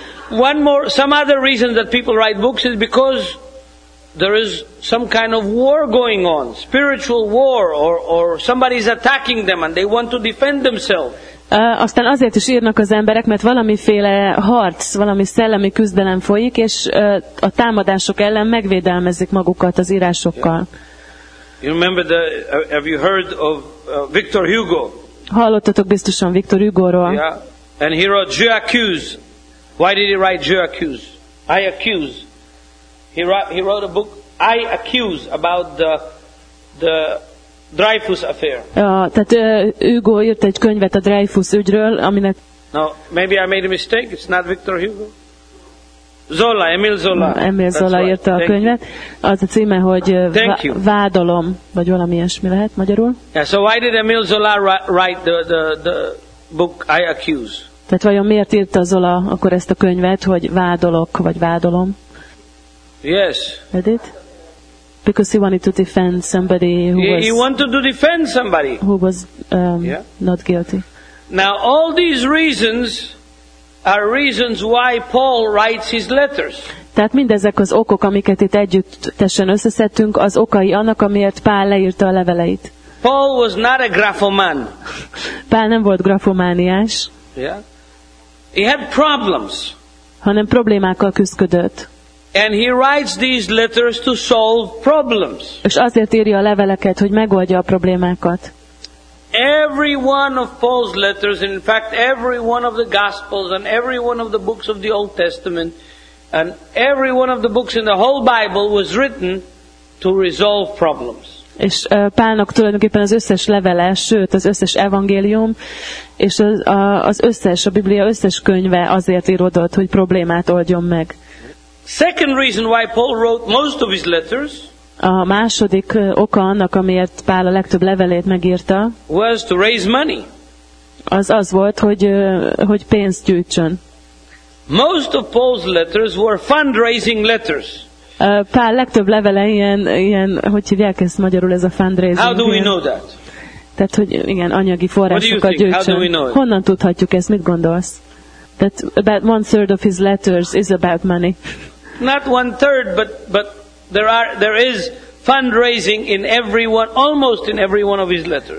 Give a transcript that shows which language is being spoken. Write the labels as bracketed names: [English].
[English] One more, some other reason that people write books is because there is some kind of war going on, spiritual war, or somebody is attacking them and they want to defend themselves. [Hungarian] Aztán azért is írnak az emberek, mert valamiféle harc, valami szellemi küzdelem folyik, és a támadások ellen megvédelmezik magukat az írásokkal. [English] Yeah. You remember the, have you heard of Victor Hugo? [Hungarian] Hallottatok biztosan Victor Hugo-ról. [English] Yeah. And he wrote Je accuse. Why did he write Je accuse? I accuse. He wrote a book I accuse about the Dreyfus affair. [Hungarian] Tehát Hugo írt egy könyvet a Dreyfus ügyről, aminek... [English] No, maybe I made a mistake. It's not Victor Hugo. Zola, Emil Zola. [Hungarian] Emil Zola [English] That's [Hungarian] írta [English] right. [Hungarian] a [English] Thank [Hungarian] könyvet. Az a címe, hogy vádolom, vagy valami ilyesmi lehet magyarul. [English] Yeah, so why did Emil Zola write the book I accuse? [Hungarian] Tehát vajon miért írta Zola akkor ezt a könyvet, hogy vádolok, vagy vádolom? [English] Yes. Read it? Because he wanted to defend somebody He wanted to defend somebody who was yeah. not guilty. Now all these reasons are reasons why Paul writes his letters. [Hungarian] Tehát mindezek az okok, amiket itt együttesen összeszedtünk, az okai annak, amiért Pál leírta a leveleit. [English] Paul was not a grafoman. [Hungarian] Pál nem volt grafomániás. [English] Yeah. He had problems. [Hungarian] Hanem problémákkal küzdött. [English] And he writes these letters to solve problems. [Hungarian] És azért írja a leveleket, hogy megoldja a problémákat. [English] Every one of Paul's letters, in fact every one of the Gospels and every one of the books of the Old Testament and every one of the books in the whole Bible was written to resolve problems. [Hungarian] És Pálnak tulajdonképpen az összes levele, sőt az összes evangélium, és az összes, a Biblia összes könyve azért íródott, hogy problémát oldjon meg. [English] Second reason why Paul wrote most of his letters. [Hungarian] A második oka annak, amiért Pál a legtöbb levelét megírta. [English] Was to raise money. [Hungarian] Az volt, hogy pénzt gyűjtsön. [English] Most of Paul's letters were fundraising letters. [Hungarian] Pál legtöbb levele ilyen, hogy hívják ezt magyarul, ez a fundraising. [English] How do we know that? [Hungarian] Tehát hogy igen, anyagi forrásokat gyűjtsön. Honnan tudhatjuk ezt? Mit gondolsz? [English] That about one third of his letters is about money. Not one third, but there is fundraising in every one, almost in every one of his letters.